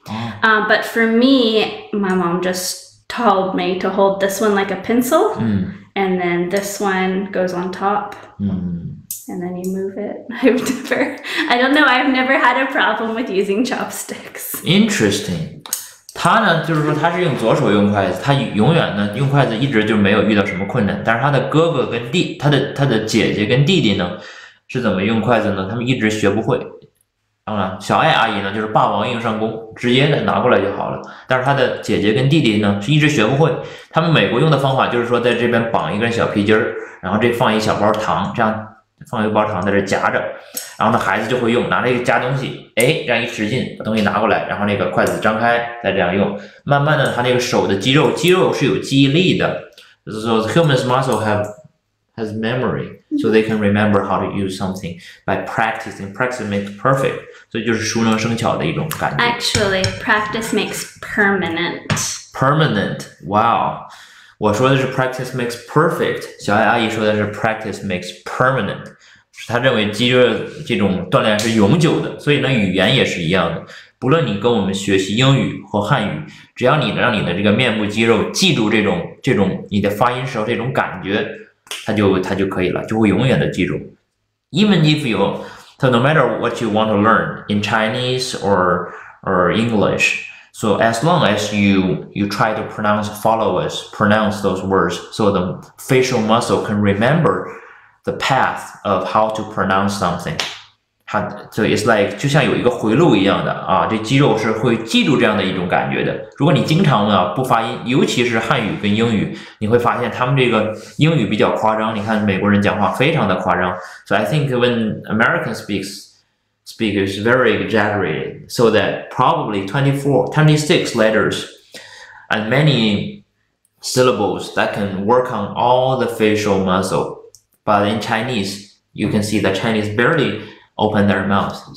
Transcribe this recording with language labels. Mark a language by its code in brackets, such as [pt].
[en] Oh. But for me, my mom just told me to hold this one like a pencil. Mm. And then this one goes on top, and then you move it. I've never had a problem with using chopsticks. Interesting. [zh] 他呢，就是说他是用左手用筷子，他永远呢用筷子一直就没有遇到什么困难。但是他的哥哥跟弟，他的姐姐跟弟弟呢，是怎么用筷子呢？他们一直学不会。当然，小爱阿姨呢，就是霸王硬上弓，直接的拿过来就好了。但是她的姐姐跟弟弟呢，是一直学不会。他们美国用的方法就是说，在这边绑一根小皮筋儿，然后这放一小包糖，这样放一包糖在这夹着，然后呢，孩子就会用，拿着一个夹东西，哎，这样一使劲，把东西拿过来，然后那个筷子张开，再这样用。慢慢的，他那个手的肌肉是有记忆力的。 [en] So humans muscle has memory, so they can remember how to use something by practicing. Practice makes perfect. [zh] 所以就是熟能生巧的一种感觉。 [en] Actually, practice makes permanent. Permanent, wow. [zh] 我说的是 [en] practice makes perfect, [zh] 小爱阿姨说的是 [en] practice makes permanent. [zh] 她认为肌肉这种锻炼是永久的，所以呢，语言也是一样的。不论你跟我们学习英语和汉语，只要你让你的这个面部肌肉记住这种你的发音时候这种感觉，它就可以了，就会永远的记住。 [en] Even if you... So no matter what you want to learn in Chinese or English, so as long as you try to pronounce those words so the facial muscle can remember the path of how to pronounce something. So it's like, [zh] 就像有一个回路一样的啊，这肌肉是会记住这样的一种感觉的。如果你经常啊不发音，尤其是汉语跟英语，你会发现他们这个英语比较夸张。你看美国人讲话非常的夸张。 [en] So I think when American speak is very exaggerated, so that probably 26 letters and many syllables that can work on all the facial muscle. But in Chinese, you can see the Chinese barely open their mouth.